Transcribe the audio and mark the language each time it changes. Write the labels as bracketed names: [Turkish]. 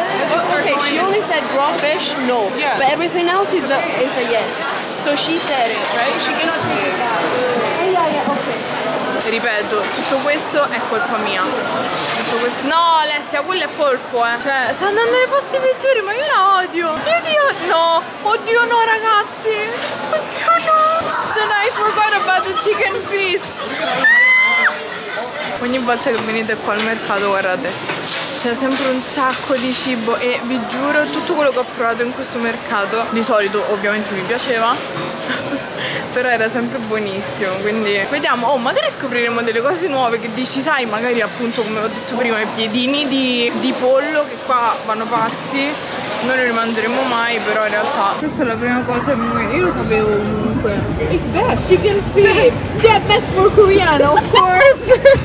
[English] Ok, she only said raw fish, no. Yeah. But everything else is a yes. So she said it, right? She cannot take it back. Yeah, ok. [Italian] Ripeto, tutto questo è colpa mia. Tutto questo... No, Alessia, quello è polpo, eh. Cioè, sta andando nei posti peggiori, ma io la odio. Oddio, no. Oddio no, ragazzi. Oddio no. [English] Then I forgot about the chicken feast. [Italian] Ogni volta che venite qua al mercato, guardate, c'è sempre un sacco di cibo e vi giuro, tutto quello che ho provato in questo mercato, di solito ovviamente mi piaceva, però era sempre buonissimo, quindi vediamo. Oh, magari scopriremo delle cose nuove che dici, sai, magari appunto come ho detto prima, i piedini di pollo che qua vanno pazzi, non li mangeremo mai, però in realtà questa è la prima cosa che io lo sapevo comunque. [English] It's best. Chicken feast. Yeah, best for Korean, of course.